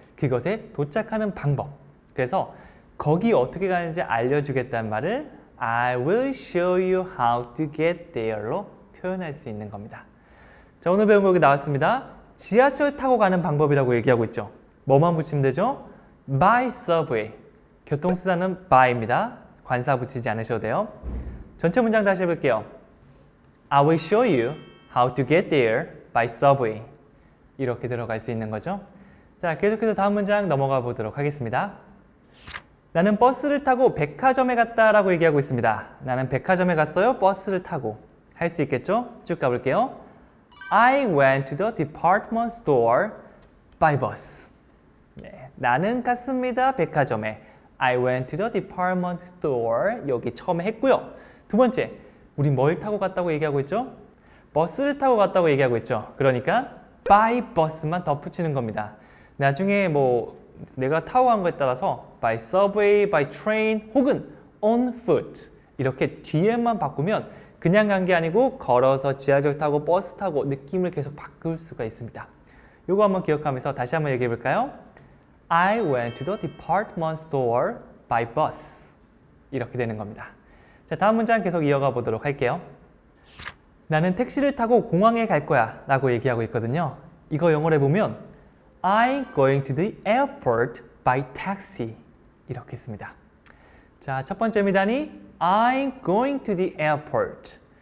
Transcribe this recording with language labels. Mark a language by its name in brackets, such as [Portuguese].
[Korean] 그것에 도착하는 방법. 그래서 거기 어떻게 가는지 알려주겠다는 말을 [English] I will show you how to get there [Korean] 로 표현할 수 있는 겁니다. 자, 오늘 배운 거 여기 나왔습니다. 지하철 타고 가는 방법이라고 얘기하고 있죠. 뭐만 붙이면 되죠? [English] By subway. [Korean] 교통수단은 by입니다. 관사 붙이지 않으셔도 돼요. 전체 문장 다시 해볼게요. [English] I will show you how to get there by subway. [Korean] 이렇게 들어갈 수 있는 거죠. 자, 계속해서 다음 문장 넘어가 보도록 하겠습니다. 나는 버스를 타고 백화점에 갔다 라고 얘기하고 있습니다. 나는 백화점에 갔어요. 버스를 타고. 할 수 있겠죠? 쭉 가볼게요. [English] I went to the department store by bus. [Korean] 네, 나는 갔습니다. 백화점에. [English] I went to the department store. [Korean] 여기 처음에 했고요. 두 번째, 우리 뭘 타고 갔다고 얘기하고 있죠? 버스를 타고 갔다고 얘기하고 있죠. 그러니까 by bus만 덧붙이는 겁니다. 나중에 뭐 내가 타고 간 거에 따라서 [English] by subway, by train [Korean] 혹은 [English] on foot [Korean] 이렇게 뒤에만 바꾸면 그냥 간 게 아니고 걸어서 지하철 타고 버스 타고 느낌을 계속 바꿀 수가 있습니다. 이거 한번 기억하면서 다시 한번 얘기해 볼까요? [English] I went to the department store by bus. [Korean] 이렇게 되는 겁니다. 자, 다음 문장 계속 이어가 보도록 할게요. 나는 택시를 타고 공항에 갈 거야 라고 얘기하고 있거든요. 이거 영어로 해보면 [English] I'm going to the airport by taxi. [Korean] 이렇게 씁니다. 자, 첫 번째 미단이 [English] I'm going to the airport.